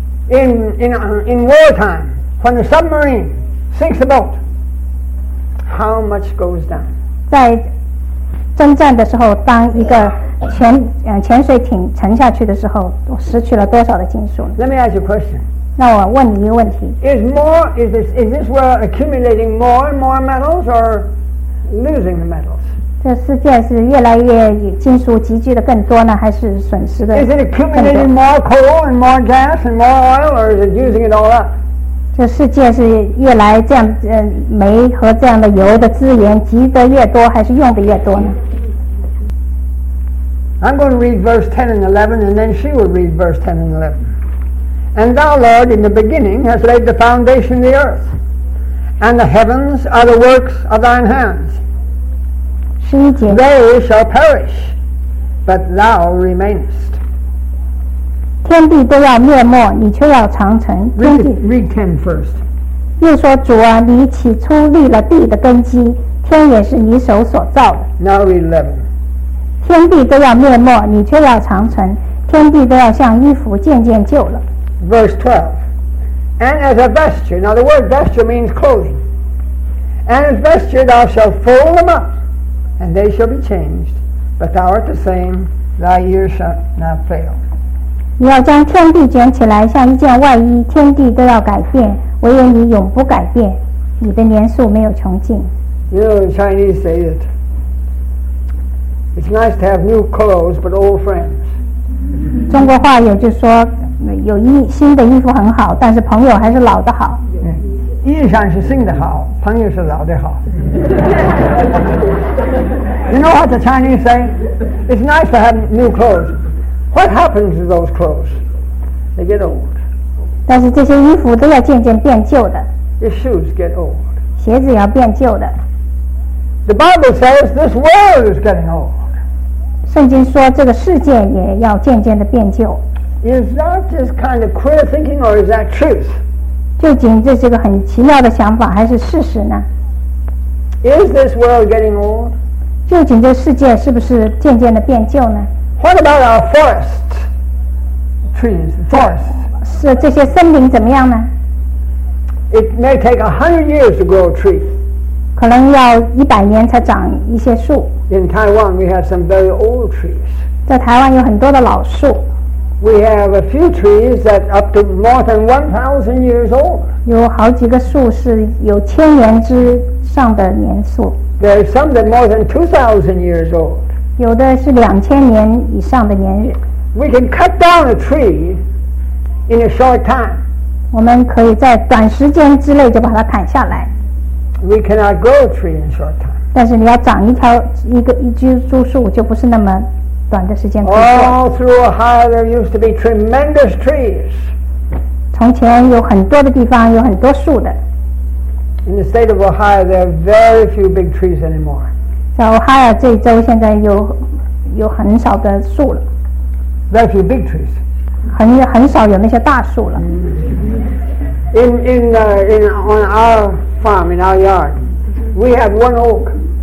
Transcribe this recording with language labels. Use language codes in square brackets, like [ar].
[en] In wartime, when a submarine sinks a boat, how much goes down? [zh] 在征战的时候，当一个潜水艇沉下去的时候，失去了多少的金属？ [en] Let me ask you a question. [zh] 那我问你一个问题。 [en] Is this world accumulating more and more metals or losing the metals? [zh] 这世界是越来越金属集聚的更多呢，还是损失的更多？ [en] Is it accumulating more coal and more gas and more oil or is it using it all up? [zh] 这世界是越来这样煤和这样的油的资源集得越多，还是用得越多呢？ [en] I'm going to read verse 10 and 11 and then she will read verse 10 and 11. And thou, Lord, in the beginning hast laid the foundation of the earth, and the heavens are the works of thine hands. [zh] 十一节。 [en] They shall perish, but thou remainest. [zh] 天地都要灭没，你却要长存。 [en] Read 10 first. [zh] 又说主啊，你起初立了地的根基，天也是你手所造的。 [en] Now read 11. [zh] 天地都要灭没，你却要长存，天地都要像衣服渐渐旧了。 [en] Verse 12. And as a vesture, now the word vesture means clothing. And as vesture thou shalt fold them up, and they shall be changed. But thou art the same, thy years shall not fail. [zh] 你要将天地卷起来像一件外衣，天地都要改变，唯有你永不改变，你的年数没有穷尽。 [en] You know, the Chinese say that it's nice to have new clothes, but old friends. [zh] 中国话也就说有新的衣服很好，但是朋友还是老的好。衣裳是新的好，朋友是老的好。 [en] You know what the Chinese say? It's nice to have new clothes. What happens to those clothes? They get old. [zh] 但是这些衣服都要渐渐变旧的。 [en] Your shoes get old. [zh] 鞋子要变旧的。 [en] The Bible says this world is getting old. [zh] 圣经说这个世界也要渐渐的变旧。 [en] Is that just kind of queer thinking, or is that truth? [zh] 究竟这是个很奇妙的想法，还是事实呢？ [en] Is this world getting old? [zh] 究竟这世界是不是渐渐的变旧呢？ [en] What about our forests, trees, forests? [zh] 是这些森林怎么样呢？ [en] It may take 100 years to grow a tree. [zh] 可能要100年才长一些树。 [en] In Taiwan, we have some very old trees. [zh] 在台湾有很多的老树。 [en] We have a few trees that are up to more than 1,000 years old. [zh] 有好几个树是有千年之上的年数。 [en] There are some that more than 2,000 years old. [zh] 有的是两千年以上的年日。 [en] We can cut down a tree in a short time. [zh] 我们可以在短时间之内就把它砍下来。 [en] We cannot grow a tree in a short time. [zh] 但是你要长一条一个一株株树，就不是那么短的时间可以做。 [en] All through Ohio, there used to be tremendous trees. [zh] 从前有很多的地方有很多树的。 [en] In the state of Ohio, there are very few big trees anymore. [zh] 在 Ohio 这一州现在有很少的树了。 [en] Very few big trees. [zh] 很少有那些大树了。 [en] In on our farm, in our yard, we have one oak.